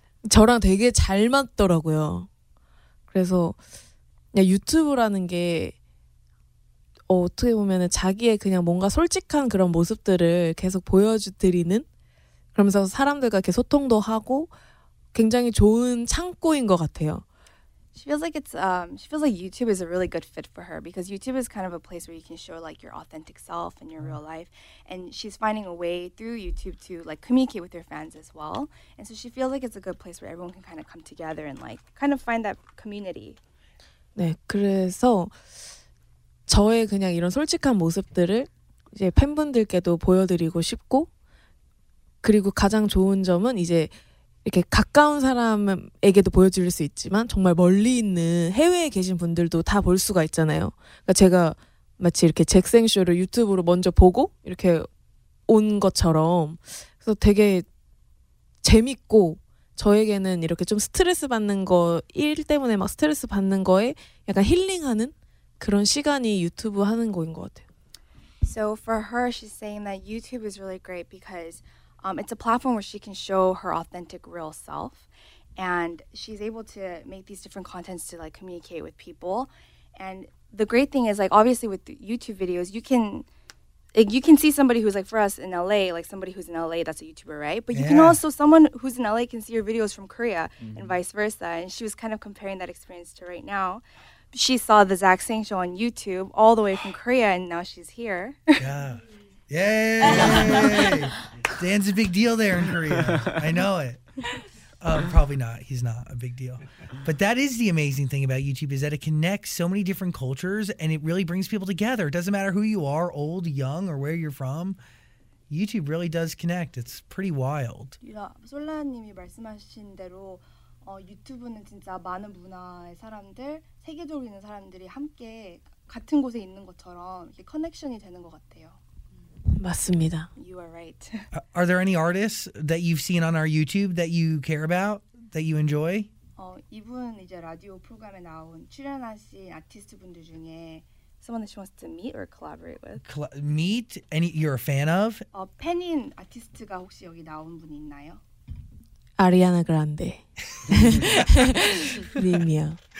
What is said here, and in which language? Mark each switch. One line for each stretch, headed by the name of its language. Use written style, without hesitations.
Korean: 저랑 되게 잘 맞더라고요. 그래서 그냥 유튜브라는 게 어떻게 보면 자기의 그냥 뭔가 솔직한 그런 모습들을 계속 보여드리는 그러면서 사람들과 이렇게 소통도 하고 굉장히 좋은 창고인 것 같아요.
English: She feels like she feels like YouTube is a really good fit for her because YouTube is kind of a place where you can show like your authentic self and your real life, and she's finding a way through YouTube to like communicate with her fans as well. And so she feels like it's a good place where everyone can kind of come together and like kind of find that community.
Korean: 네, 그래서 저의 그냥 이런 솔직한 모습들을 이제 팬분들께도 보여드리고 싶고, 그리고 가장 좋은 점은 이제 이렇게 가까운 사람에게도 보여줄 수 있지만 정말 멀리 있는 해외에 계신 분들도 다 볼 수가 있잖아요. 그러니까 제가 마치 이렇게 잭생쇼를 유튜브로 먼저 보고 이렇게 온 것처럼 그래서 되게 재밌고 저에게는 이렇게 좀 스트레스 받는 거 일 때문에 막 스트레스 받는 거에 약간 힐링하는 그런 시간이 유튜브 하는 거인 것 같아요.
English: So for her, she's saying that YouTube is really great because it's a platform where she can show her authentic real self and she's able to make these different contents to like communicate with people. And the great thing is like obviously with YouTube videos, you can see somebody who's like for us in LA, like somebody who's in LA, that's a YouTuber, right? But you can also, someone who's in LA can see your videos from Korea and vice versa. And she was kind of comparing that experience to right now. She saw the Zach Sang show on YouTube all the way from Korea and now she's here. Yeah. Yay! Dan's a big deal there in Korea. I know it. Probably not. He's not a big deal. But that is the amazing thing about YouTube is that it connects so many different cultures and it really brings people together. It doesn't matter who you are, old, young, or where you're from. YouTube really does connect. It's pretty wild.
Korean: Yeah, 솔라님이 말씀하신 대로 유튜브는 진짜 많은 문화의 사람들, 세계적으로 있는 사람들이 함께 같은 곳에 있는 것처럼 이렇게 커넥션이 되는 것 같아요. 맞습니다.
English: You are right. Are there any artists that you've seen on our YouTube that you care about, that you enjoy?
Korean: 이분 이제 라디오 프로그램에 나온 출연하신 아티스트 분들 중에
English: someone that she wants to meet or collaborate with. Meet? Any you're a fan of?
Korean: 팬인 아티스트가 혹시 여기 나온 분 있나요? 아리아나 그란데 님이요.